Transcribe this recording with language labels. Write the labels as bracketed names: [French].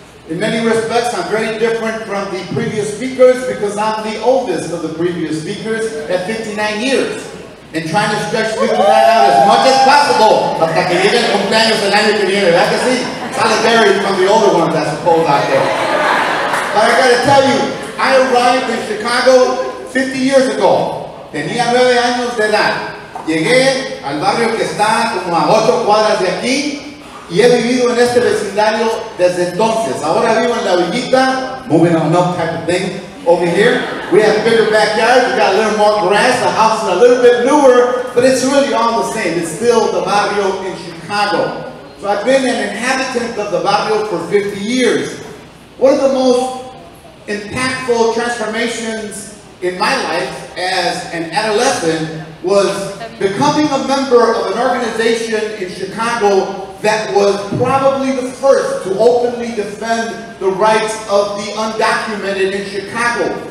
[English] In many respects, I'm very different from the previous speakers because I'm the oldest of the previous speakers at 59 years. And trying to stretch that out as much as possible [Spanish] hasta que llegue el cumpleaños el año que viene, ¿verdad que sí? [English] Solidarity from the older ones, I suppose, out there. But I gotta tell you, I arrived in Chicago 50 years ago. [Spanish] Tenía 9 años de edad. Llegué al barrio que está como a 8 cuadras de aquí y he vivido en este vecindario desde entonces. Ahora vivo en la villita, [English] moving on up type of thing, over here. We have bigger backyards, we got a little more grass, the house is a little bit newer, but it's really all the same. It's still the barrio in Chicago. So I've been an inhabitant of the barrio for 50 years. One of the most impactful transformations in my life as an adolescent was becoming a member of an organization in Chicago that was probably the first to openly defend the rights of the undocumented in Chicago.